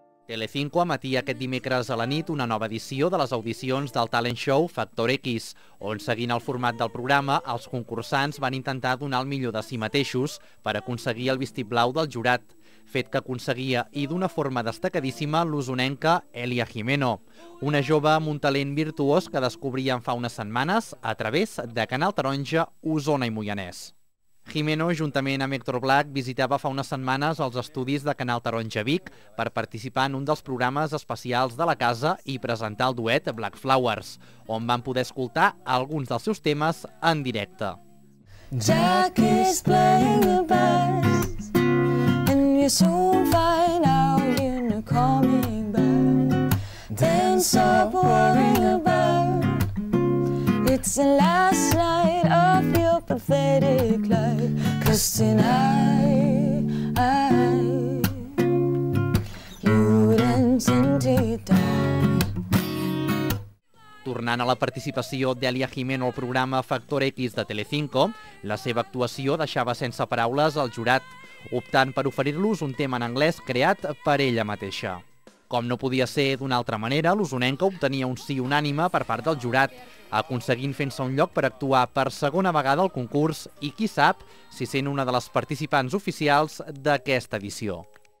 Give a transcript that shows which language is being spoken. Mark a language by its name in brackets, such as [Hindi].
[Catalan] Telecinco emetia aquest dimecres a la nit una nova edició de les audicions del talent show Factor X, on, seguint el format del programa, els concursants van intentar donar el millor de si mateixos per aconseguir el vistiplau del jurat, fet que aconseguia, i d'una forma destacadíssima, l'usonenca Elia Gimeno, una jove amb un talent virtuós que descobrien fa unes setmanes a través de Canal Taronja, Osona i Moianès. Gimeno, juntament amb Héctor Black, visitava fa unes setmanes els estudis de Canal Taronja Vic per participar en un dels programes especials de la casa i presentar el duet Black Flowers, on van poder escoltar alguns dels seus temes en directe. [English] Jack is playing the bass and you soon find out you're not coming back. Then stop worrying about it's the last night of your pathetic life, 'cause tonight you wouldn't indeed die. [Catalan] Tornant a la participació d'Elia Gimeno al programa Factor X de Telecinco, la seva actuació deixava sense paraules el jurat, optant per oferir-los un tema en anglès creat per ella mateixa. Com no podia ser d'una altra manera, l'osonenca obtenia un sí unànime per part del jurat, aconseguint fer-se un lloc per actuar per segona vegada al concurs i, qui sap, si sent una de les participants oficials d'aquesta edició.